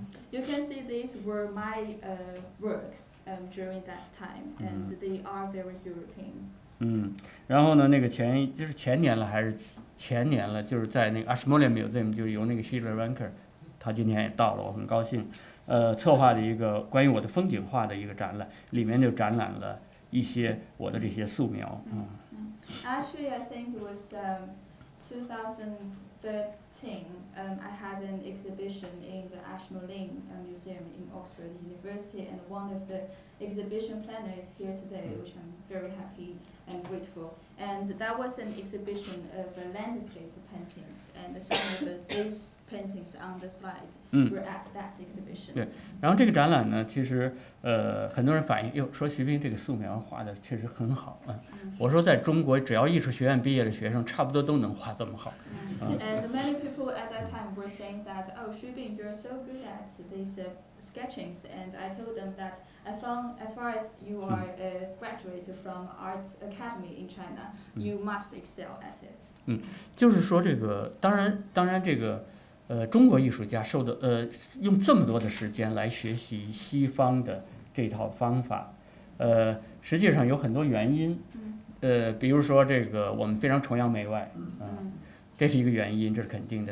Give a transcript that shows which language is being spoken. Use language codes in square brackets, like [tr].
[en] You can see these were my works during that time, and they are very European. [zh] 然后呢，那个前年了，就是在那个 CRASSH Humanitas Visiting Museum, 就是由那个 Fitzwilliam Museum, 他今天也到了，我很高兴，策划了一个关于我的风景画的一个展览，里面就展览了一些我的这些素描。 [en] Actually, I think it was 2013. I had an exhibition in the CRASSH Humanitas Museum in Oxford University, and one of the exhibition planners here today, which I'm very happy and grateful. And that was an exhibition of landscape paintings, and some of these paintings on the slide were at that exhibition. [zh] 对，然后这个展览呢，其实很多人反映，哟，说徐冰这个素描画的确实很好啊。我说在中国，只要艺术学院毕业的学生，差不多都能画这么好。 [en] And many people at that time were saying that, oh, Xu Bing, you're so good at these sketchings. And I told them that as far as you are a graduate from art academy in China, you must excel at it. [zh] 就是说这个，当然这个。中国艺术家受的用这么多的时间来学习西方的这套方法，实际上有很多原因，比如说这个我们非常崇洋媚外，这是一个原因，这是肯定的。